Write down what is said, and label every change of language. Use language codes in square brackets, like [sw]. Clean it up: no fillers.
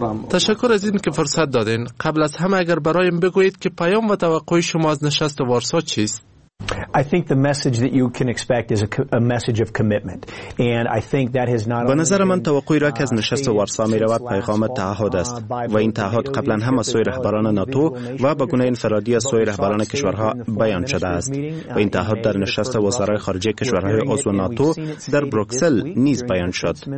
[fa] تشکر از این که فرصت دادین. قبل از همه اگر برایم بگویید که پیام و توقع شما از نشست وارسا چیست؟ [en] I think the message that you can expect is a message of commitment, and I think that has not. [fa] به نظر من توقعی را که از نشست وارسا می رود پیغام تعهد است، و این تعهد قبلا هم از سوی رهبران ناتو و به گونه انفرادی از سوی رهبران کشورها بیان شده است، و این تعهد در نشست وزرای خارجه کشورهای عضو ناتو در بروکسل نیز بیان شد.